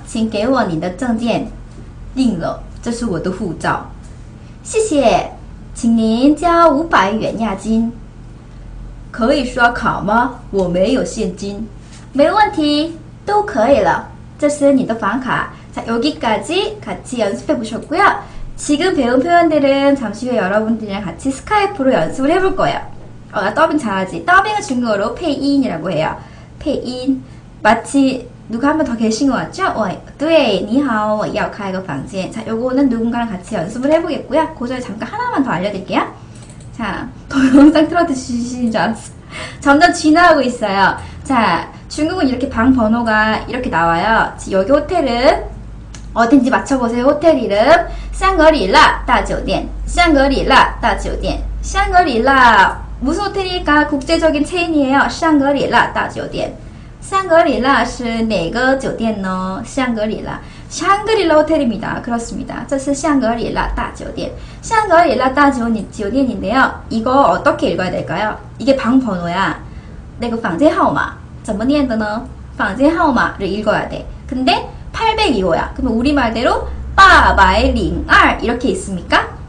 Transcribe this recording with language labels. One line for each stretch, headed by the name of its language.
Chinese: 请给我你的证件。定了,这是我的护照。谢谢,请您交500元押金。可以刷卡吗? 我没有现金。没问题,都可以了。这是你的房卡。
Korean: 자, 여기까지 같이 연습해 보셨고요. 지금 배운 표현들은 잠시 후에 여러분들이랑 같이 스카이프로 연습을 해볼 거예요. 나 더빙 잘하지. 더빙은 중국어로 페이인이라고 해요. 페이인. 마치 누가 한 번 더 계신 것 같죠?
Chinese: 对,你好,我要开个房间.
Korean: 자, 요거는 누군가랑 같이 연습을 해보겠고요. 그 전에 잠깐 하나만 더 알려드릴게요. 자, 더 영상 틀어주시는 줄 알았어요. 점점 진화하고 있어요. 자, 중국은 이렇게 방 번호가 이렇게 나와요. 여기 호텔은 어딘지 맞춰보세요. 호텔 이름 샹그릴라 다지오덴. 샹그릴라 다지오덴. 샹그릴라 무슨 호텔일까? 국제적인 체인이에요. 샹그릴라 다지오덴.
Chinese: 샹그릴라 是哪个 酒店呢?
Korean: 샹그릴라. 샹그릴라 호텔입니다. 그렇습니다.
Chinese: 这是
Korean: 샹그릴라 다지오덴. 샹그릴라 다지오덴인데요. 이거 어떻게 읽어야 될까요? 이게 방 번호야. 내가 방제 하오마.
Chinese: 怎么念的呢?
Korean: 방제 하오마를 읽어야 돼. 근데 802호야. 그럼 우리말대로 802 이렇게 있습니까?